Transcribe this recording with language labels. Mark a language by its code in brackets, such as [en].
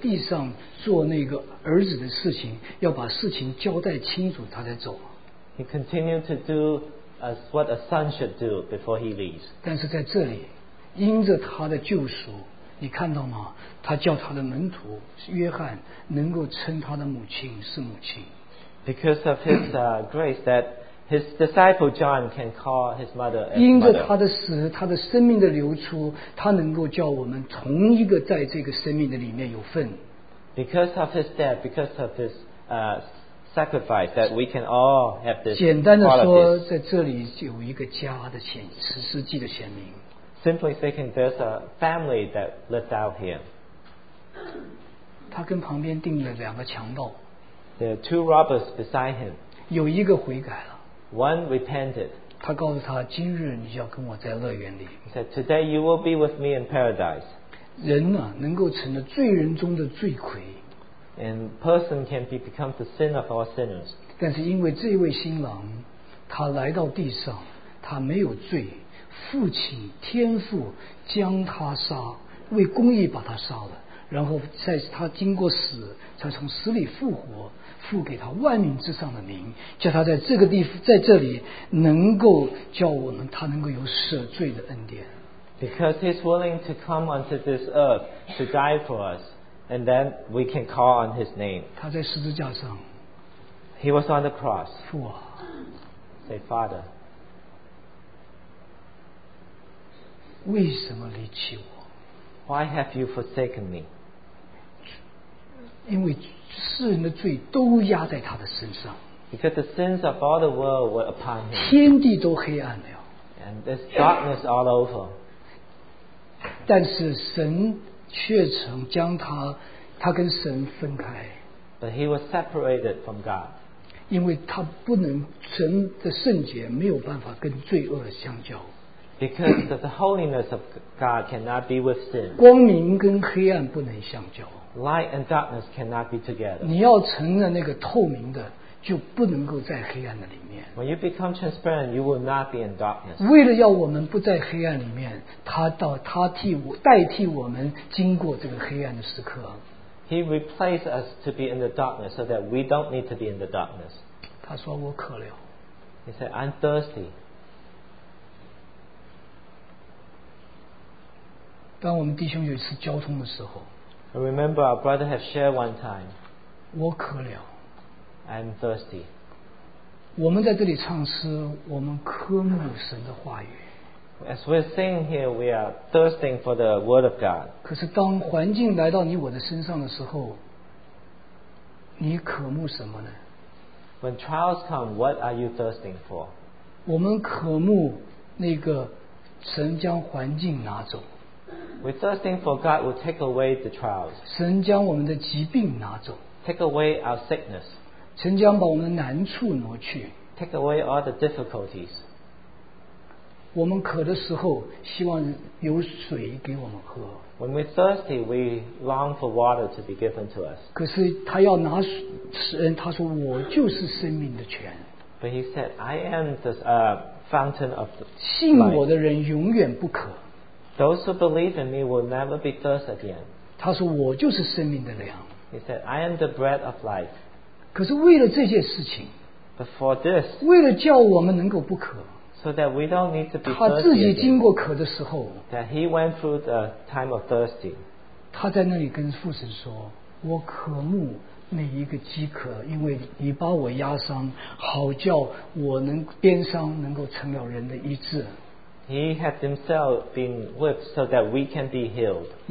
[zh] 他仍然在这里在地上做那个儿子的事情, 要把事情交代清楚, 他才走。 [en] He continued to do as what a son should do before he leaves. [zh] 但是在这里, 因着他的救赎, 你看到吗? 他叫他的门徒, 约翰, 能够称他的母亲是母亲。 [en] Because of his grace that his disciple John can call his mother as mother. [zh] 因着他的死, 他的生命的流出, 他能够叫我们从一个在这个生命的里面有份。 [en] Because of his death, because of his sacrifice, that we can all have this. [zh] 简单的说, 在这里有一个家的显, 实际的显明。 [en] Simply speaking, there's a family that lives out here. [zh] 他跟旁边定了两个强盗。 [en] There are two robbers beside him. [zh] 有一个悔改了。 [en] One repented. [zh] 他告诉他, 今日你要跟我在乐园里。 [en] He said, today you will be with me in paradise. [zh] 人啊, 能够成了罪人中的罪魁。 [en] And person can become the sin of all sinners. [zh] 但是因为这位新郎, 他来到地上, 他没有罪, 父亲, 天父将他杀, 为公义把他杀了, 然后在他经过死, 才从死里复活, 付给他万民之上的名, 叫他在这个地方, 在这里, 能够叫我们, 他能够有赦罪的恩典。 [en] Because he's willing to come onto this earth to die for us, and then we can call on his name. [zh] 他在十字架上, [en] he was on the cross. [zh] 父啊, [en] say, Father, [zh] 为什么离弃我? [en] Why have you forsaken me? [zh] 因为 世人的罪都压在他的身上, [en] because the sins of all the world were upon him. [zh] 天地都黑暗了, [en] and there's darkness all over. [zh] 但是神却曾将他, 他跟神分开, [en] but he was separated from God. [zh] 因为他不能, 神的圣洁, 没有办法跟罪恶相交, [en] because the holiness of God cannot be with sin. [zh] 光明跟黑暗不能相交, [en] light and darkness cannot be together. [zh] 你要成了那个透明的, 就不能够在黑暗的里面。 [en] When you become transparent, you will not be in darkness. [zh] 为了要我们不在黑暗里面, 他到, 他替我, 代替我们经过这个黑暗的时刻。 [en] He replaced us to be in the darkness so that we don't need to be in the darkness. [zh] 他说我渴了。 [en] He said, I'm thirsty. [zh] 当我们弟兄有一次交通的时候, [en] I remember our brother had shared one time. [zh] 我渴了, [en] I'm thirsty. [zh] 我们在这里唱诗, 我们渴慕神的话语。 [en] As we're singing here, we are thirsting for the word of God. [zh] 可是当环境来到你我的身上的时候, 你渴慕什么呢? [en] When trials come, what are you thirsting for? [zh] 我们渴慕那个神将环境拿走。 [en] We're thirsting for God will take away the trials. [zh] 神将我们的疾病拿走。 [en] Take away our sickness. [zh] 神将把我们难处挪去。 [en] Take away all the difficulties. [zh] 我们渴的时候希望有水给我们喝。 [en] When we're thirsty, we long for water to be given to us. [zh] 可是他要拿神，他说我就是生命的泉。 [en] But he said, I am the fountain of the life. [zh] 信我的人永远不渴。 [en] Those who believe in me will never be thirst again. [zh] 他说我就是生命的粮。 [en] He said, I am the bread of life. [zh] 可是为了这些事情, [en] But for this, [zh] 为了叫我们能够不渴, [en] so that we don't need to be thirsty, [zh] 他自己经过渴的时候, [en] that he went through the time of thirsting, [zh] 他在那里跟父神说, 我渴慕每一个饥渴,因为你把我压伤, 好叫我能鞭伤能够成了人的医治。 [en] He had himself been whipped so that we can be healed.